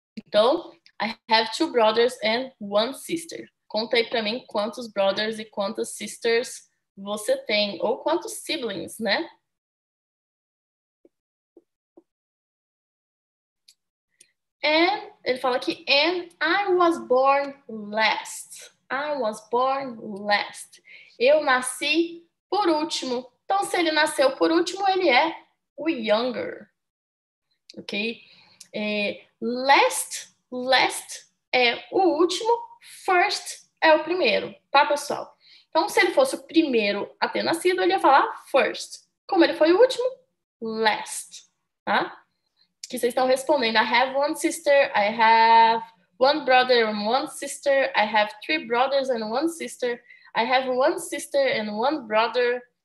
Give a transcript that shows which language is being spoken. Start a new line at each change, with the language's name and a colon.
English: Então, I have two brothers and one sister.
Portuguese: Conta aí pra mim quantos brothers e quantas sisters você tem. Ou quantos siblings, né?
English: And
Portuguese: ele fala aqui,
English: and I was born last. I was born last.
Portuguese: Eu nasci por último. Então, se ele nasceu por último, ele é o younger. Ok? Last é o último. First é o primeiro, tá, pessoal? Então, se ele fosse o primeiro a ter nascido, ele ia falar first. Como ele foi o último? Last. Tá? Que vocês estão respondendo.
English: I have one sister, I have one brother and one sister, I have three brothers and one sister, I have one sister and one brother.